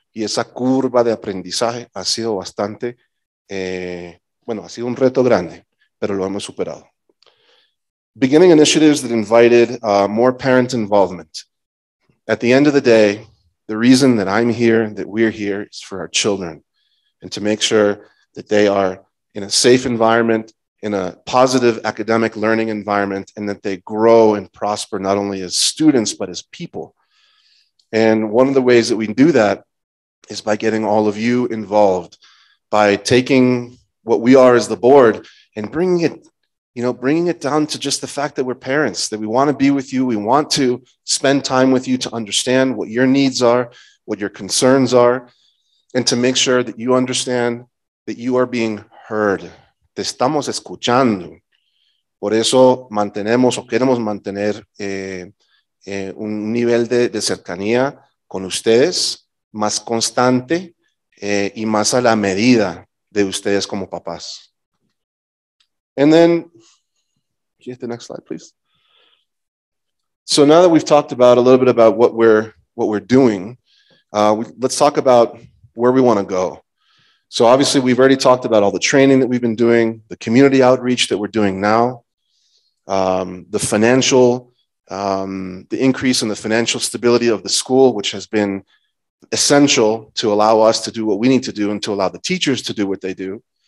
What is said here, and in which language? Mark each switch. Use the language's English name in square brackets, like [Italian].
[Spanish] Y esa curva de aprendizaje ha sido bastante, ha sido un reto grande, pero lo hemos superado. [English] Beginning initiatives that invited more parent involvement. At the end of the day, the reason that I'm here, that we're here, is for our children and to make sure that they are in a safe environment in a positive academic learning environment and that they grow and prosper not only as students, but as people. And one of the ways that we do that is by getting all of you involved, by taking what we are as the board and bringing it, you know, bringing it down to just the fact that we're parents, that we want to be with you. We want to spend time with you to understand what your needs are, what your concerns are, and to make sure that you understand that you are being heard. [Spanish] Te estamos escuchando. Por eso mantenemos o queremos mantener un nivel de cercanía con ustedes más constante y más a la medida de ustedes como papás. [English] And then, can you hit the next slide, please? So now that we've talked about a little bit about what we're doing, let's talk about where we want to go. So obviously, we've already talked about all the training that we've been doing, the community outreach that we're doing now, the financial, the increase in the financial stability of the school, which has been essential to allow us to do what we need to do and to allow the teachers to do what they do.